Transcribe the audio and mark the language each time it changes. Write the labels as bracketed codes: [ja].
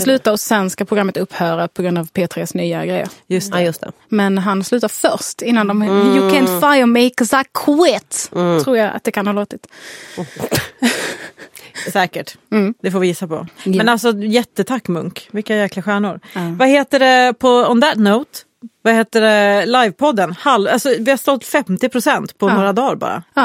[sv] sluta och sen ska programmet upphöra på grund av P3s nya grejer. Just det. Ja, just det. Men han slutar först innan de... [en] You can't fire me because I quit. [sv] Tror jag att det kan ha låtit. Säkert. Det får vi gissa på. Yeah. Men alltså, jättetack Munk. Vilka jäkla stjärnor. Vad heter det på On That Note? Vad heter det? Livepodden? Alltså, vi har stått 50% på några dagar bara.